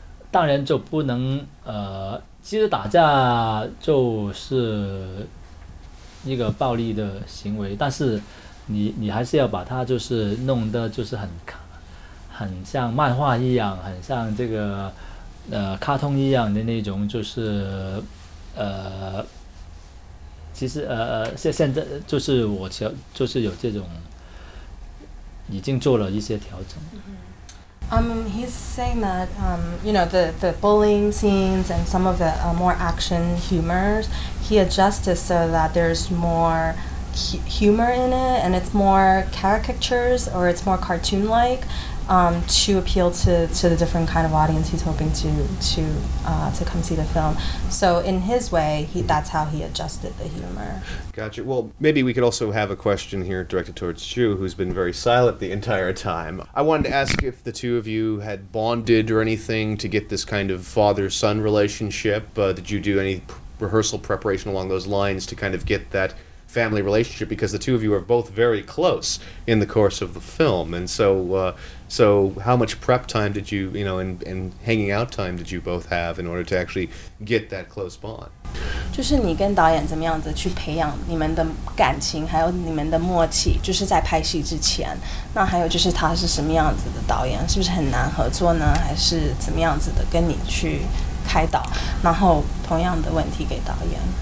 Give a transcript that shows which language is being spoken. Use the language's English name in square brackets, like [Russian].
[Chinese] 当然就不能其实打架就是一个暴力的行为，但是你还是要把它就是弄得就是很像漫画一样，很像这个卡通一样的那种，就是其实现在就是我就是有这种已经做了一些调整。 [English] He's saying that you know, the bullying scenes and some of the more action humors, he adjusted so that there's more humor in it and it's more caricatures or it's more cartoon like to appeal to the different kind of audience he's hoping to come see the film. So in his way, that's how he adjusted the humor. Gotcha. Well, maybe we could also have a question here directed towards Zhu, who's been very silent the entire time. I wanted to ask if the two of you had bonded or anything to get this kind of father-son relationship. Did you do any rehearsal preparation along those lines to kind of get that family relationship, because the two of you are both very close in the course of the film, and so how much prep time did you, you know, and hanging out time did you both have in order to actually get that close bond? [Chinese] 就是你跟导演怎么样子去培养你们的感情，还有你们的默契，就是在拍戏之前。那还有就是他是什么样子的导演，是不是很难合作呢？还是怎么样子的跟你去开导？然后同样的问题给导演。